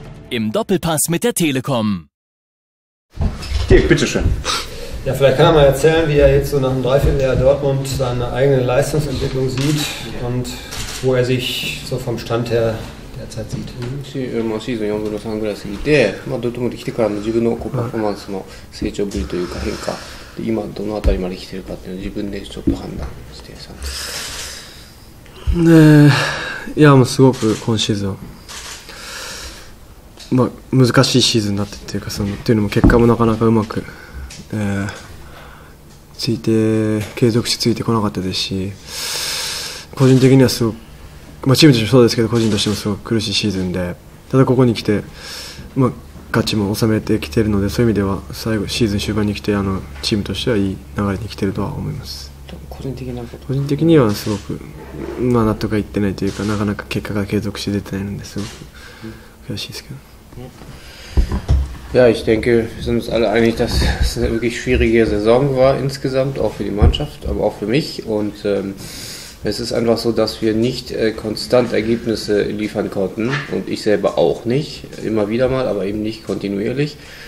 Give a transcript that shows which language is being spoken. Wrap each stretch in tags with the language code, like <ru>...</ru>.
<de>Im Doppelpass mit der Telekom. Dirk, bitteschön. Ja, vielleicht kann er mal erzählen, wie er jetzt so nach einem Dreivierteljahr Dortmund seine eigene Leistungsentwicklung sieht und wo er sich so vom Stand her derzeit sieht.</de> <ja>シーズン4分の3ぐらい過ぎて、まあ、ドルトムで来てからの自分のこうパフォーマンスの成長ぶりというか変化で今どのあたりまで来てるかっていうのを自分でちょっと判断してさ。ねえ、いやもうすごく今シーズン、まあ、難しいシーズンだったっていうかそのっていうのも結果もなかなかうまく、ついて継続しついてこなかったですし、個人的にはすごく、まあ、チームとしてもそうですけど個人としてもすごく苦しいシーズンで、ただここに来て、まあ、勝ちも収めてきているので、そういう意味では最後シーズン終盤に来てあのチームとしてはいい流れに来ているとは思います。個人的なこと、個人的にはすごく、まあ、納得がいってないというかなかなか結果が継続して出てないのですごく悔しいですけど。</ja> <de>Ja, ich denke, wir sind uns alle einig, dass es eine wirklich schwierige Saison war insgesamt, auch für die Mannschaft, aber auch für mich. Und es ist einfach so, dass wir nicht konstant Ergebnisse liefern konnten und ich selber auch nicht, immer wieder mal, aber eben nicht kontinuierlich.</de>